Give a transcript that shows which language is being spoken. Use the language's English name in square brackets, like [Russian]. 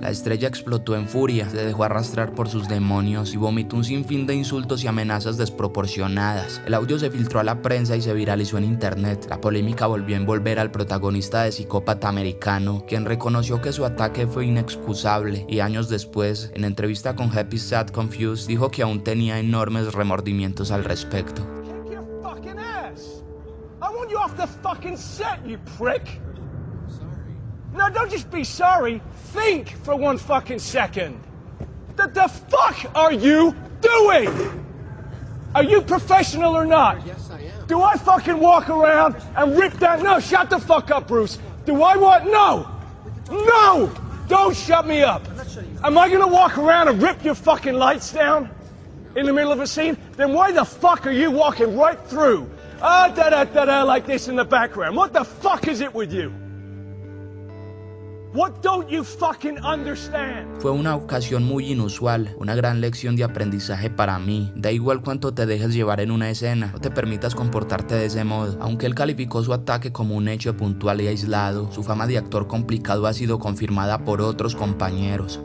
[Spanish] La estrella explotó en furia, se dejó arrastrar por sus demonios y vomitó un sinfín de insultos y amenazas desproporcionadas. El audio se filtró a la prensa y se viralizó en internet. La polémica volvió a envolver al protagonista de Psicópata Americano, quien reconoció que su ataque fue inexcusable, y años después, en entrevista con Happy Sad Confused, dijo que aún tenía enormes remordimientos al respecto. [English] Kick your fucking ass. I want you off the fucking set, you prick. I'm sorry. No, don't just be sorry. Think for one fucking second. What the fuck are you doing? Are you professional or not? Yes, I am. Do I fucking walk around and rip that? No, shut the fuck up, Bruce. Do I want? No! No! Don't shut me up. Am I gonna walk around and rip your fucking lights down in the middle of a scene? Then why the fuck are you walking right through? Ah, da-da-da-da, like this in the background. What the fuck is it with you? What don't you fucking understand? [Spanish] Fue una ocasión muy inusual, una gran lección de aprendizaje para mí. Da igual cuánto te dejes llevar en una escena, no te permitas comportarte de ese modo. Aunque él calificó su ataque como un hecho puntual y aislado, su fama de actor complicado ha sido confirmada por otros compañeros.